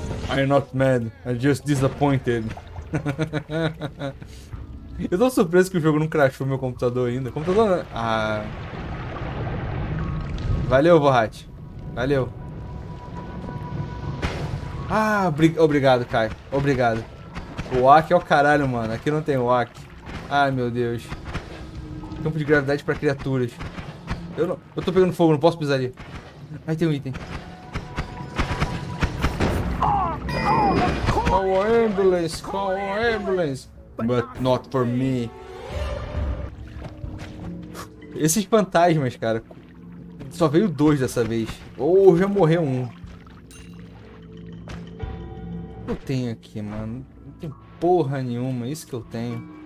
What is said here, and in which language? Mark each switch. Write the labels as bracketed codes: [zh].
[en] I'm not mad, I'm just disappointed. [pt] Eu tô surpreso que o jogo não crashou meu computador ainda. Computador não... Ah... Valeu, Borrat. Valeu. Ah, obrigado, Kai. Obrigado. O Ak é o caralho, mano. Aqui não tem o Ak. Ai, meu Deus. Campo de gravidade pra criaturas. Eu não... Eu tô pegando fogo, não posso pisar ali. Aí tem um item. [en] Call ambulance, call ambulance, but not for me. [pt] Esses fantasmas, cara, só veio dois dessa vez. Ou já morreu um. O que eu tenho aqui, mano? Não tem porra nenhuma, isso que eu tenho.